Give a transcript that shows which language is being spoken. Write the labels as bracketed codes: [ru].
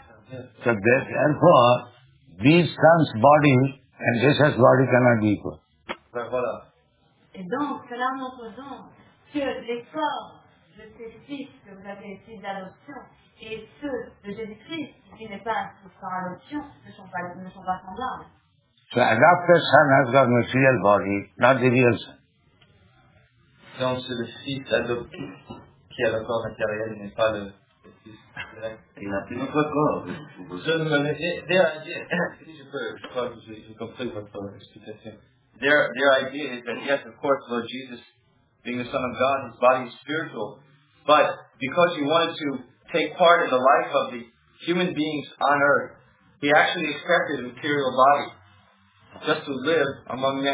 [en] these sons' body and Jesus' body cannot be equal. [fr] Et donc, cela montre donc que les corps de ces fils que vous avez été d'adoption et ceux de Jésus-Christ qui n'est pas par adoption ne sont pas semblables. [en] So, adopted son has got material body, not the real son. [fr] Donc, c'est le fils adopté qui a le corps matériel, mais pas le fils. Il n'a plus notre corps. Je ne me laisse pas. Si je peux, je crois que j'ai compris votre explication. [en] Their idea is that, yes, of course, Lord Jesus, being the Son of God, his body is spiritual. But because he wanted to take part in the life of the human beings on earth, he actually accepted a material body just to live among men.